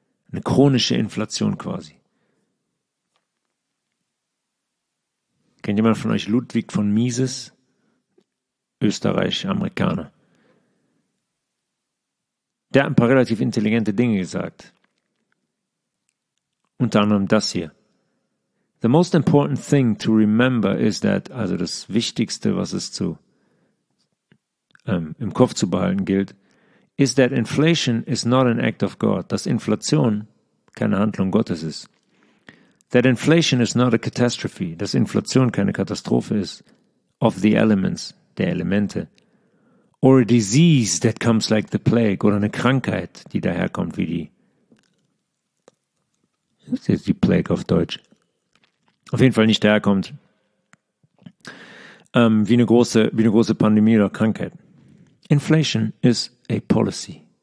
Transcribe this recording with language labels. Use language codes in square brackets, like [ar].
[de] Eine chronische Inflation quasi. Kennt jemand von euch Ludwig von Mises? Österreich, Amerikaner. Der hat ein paar relativ intelligente Dinge gesagt. Unter anderem das hier. [en] The most important thing to remember is that, [de] also das Wichtigste, was es zu im Kopf zu behalten gilt, [en] is that inflation is not an act of God. [de] Dass Inflation keine Handlung Gottes ist. [en] That inflation is not a catastrophe. [de] Dass Inflation keine Katastrophe ist. [en] Of the elements, [de] der Elemente. [en] Or a disease that comes like the plague. [de] Oder eine Krankheit, die daherkommt wie die. Das ist die Plague auf Deutsch. Auf jeden Fall nicht daherkommt. Wie eine große Pandemie oder Krankheit. [en] Inflation is a policy.